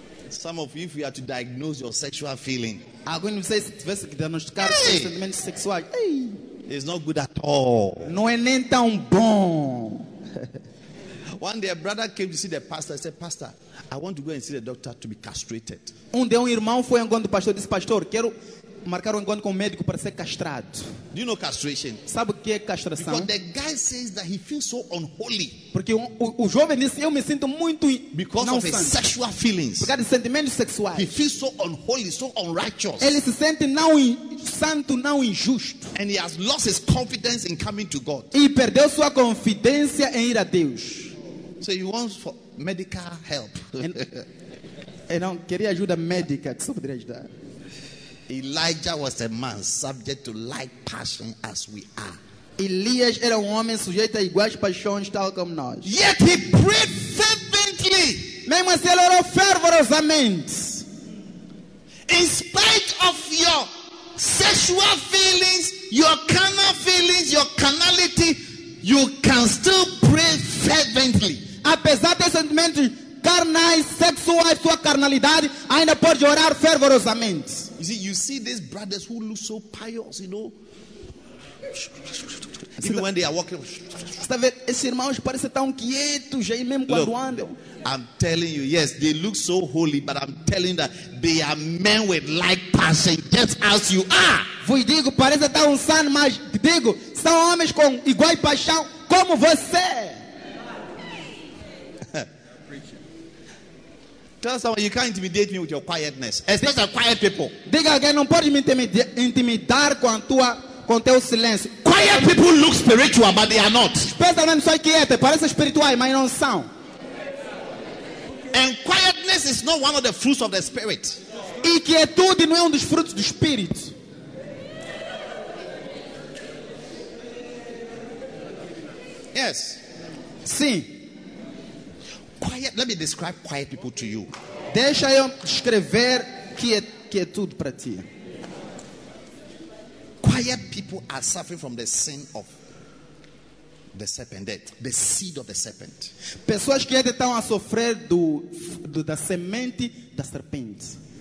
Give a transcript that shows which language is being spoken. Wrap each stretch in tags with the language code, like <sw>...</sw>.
<en>Some of you, if you are to diagnose your sexual feeling,</en> <pt>alguém não sei se tivesse que diagnosticar os sentimentos sexuais.</pt> <en>It's not good at all.</en> <pt>Não é nem tão bom.</pt> <en>One day, a brother came to see the pastor. He said, "Pastor, I want to go and see the doctor to be castrated."</en> <pt>Um dia, um irmão foi ao encontro do pastor. Disse, "Pastor, quero marcar um encontro com o médico para ser castrado."</pt> <en>Do you know castration?</en> <pt>Sabe o que é castração?</pt> <en>Because the guy says that he feels so unholy.</en> <pt>Porque o jovem disse, eu me sinto muito</pt> <en>because</en> <pt>não</pt> <en>of his sexual feelings.</en> <pt>Por causa de sentimentos sexuais.</pt> <en>He feels so unholy, so unrighteous.</en> <pt>Ele se sente não santo, não injusto.</pt> <en>And he has lost his confidence in coming to God.</en> <pt>E perdeu sua confidência em ir a Deus.</pt> <en>So he wants for medical help.</en> <pt>Não queria ajuda médica, que só poderia ajudar.</pt> <en>Elijah was a man subject to like passion as we are.</en> <pt>Elias era homem sujeito a iguais paixões tal como nós.</pt> <en>Yet he prayed fervently.</en> <pt>Mesmo assim ele orou fervorosamente.</pt> <en>In spite of your sexual feelings, your carnal feelings, your carnality, you can still pray fervently.</en> <pt>Apesar de sentimentos carnais, sexuais, sua carnalidade, ainda pode orar fervorosamente.</pt> <en>You see these brothers who look so pious, you know. Even when they are walking.</en> <pt>Está vendo? Esses irmãos parecem tão quietos, aí mesmo quando andam.</pt> <en>I'm telling you, yes, they look so holy, but I'm telling that they are men with like passion, just as you are.</en> <pt>Vou digo, parece tão santo, mas digo, são homens com iguais paixão como você.</pt> <en>Tell someone you can't intimidate me with your quietness, especially quiet people.</en> <pt>Diga alguém, não pode me intimidar com a tua com teu silêncio.</pt> <en>Quiet people look spiritual, but they are not.</en> <pt>Especialmente só quieto, parece espiritual, mas não são.</pt> <en>And quietness is not one of the fruits of the spirit.</en> <pt>E quietude não é dos frutos do espírito.</pt> <en>Yes.</en> <pt>Sim.</pt> <en>Quiet. Let me describe quiet people to you.</en> <pt>Deixa eu descrever quietude para ti.</pt> <en>Quiet people are suffering from the sin of the serpent, the seed of the serpent.</en> <pt>Pessoas que estão a sofrer da semente da serpente.</pt>